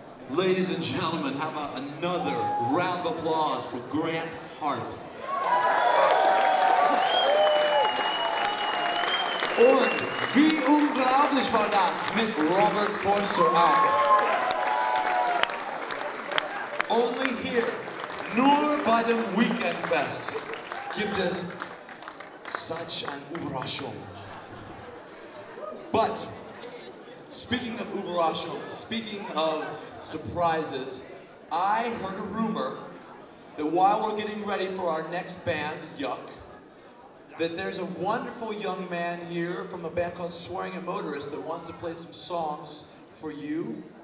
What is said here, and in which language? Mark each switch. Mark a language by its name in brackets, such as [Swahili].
[English] Ladies and gentlemen, how about another round of applause for Grant Hart? [German] Und wie unglaublich war das mit Robert Forster auch. [English] Only here, [German] nur bei dem Weekendfest, gibt es [English] such an [German] Überraschung. [English] But speaking of Überraschung, speaking of surprises, I heard a rumor that while we're getting ready for our next band, Yuck, that there's a wonderful young man here from a band called Swearing and Motorist that wants to play some songs for you.